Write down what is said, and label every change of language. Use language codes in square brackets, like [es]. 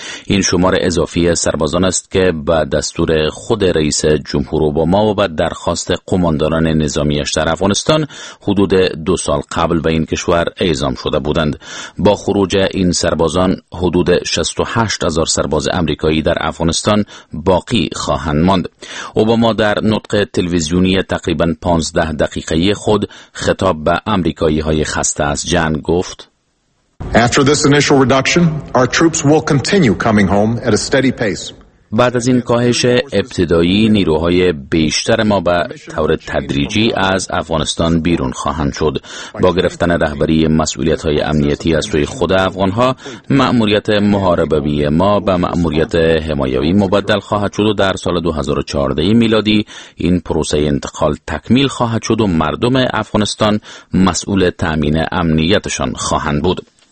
[fa] این شمار اضافی سربازان است که به دستور خود رئیس جمهور اوباما و به درخواست قمانداران نظامیش در افغانستان حدود 2 سال قبل به این کشور اعزام شده بودند. با خروج این سربازان حدود 68,000 سرباز آمریکایی در افغانستان باقی خواهند ماند. اوباما در نطق تلویزیونی تقریبا 15 دقیقه‌ای خود خطاب به آمریکایی‌های خسته از جنگ گفت: [en] After this initial reduction, our troops will continue coming home at a steady pace. [fa] بعد از این کاهش ابتدایی نیروهای بیشتر ما به طور تدریجی از افغانستان بیرون خواهند شد. با گرفتن رهبری مسئولیت‌های امنیتی از سوی خود افغان‌ها، مأموریت محاربوی ما به مأموریت حمایوی مبدل خواهد شد و در سال 2014 میلادی این پروسه انتقال تکمیل خواهد شد و مردم افغانستان مسئول تأمین امنیتشان خواهند بود.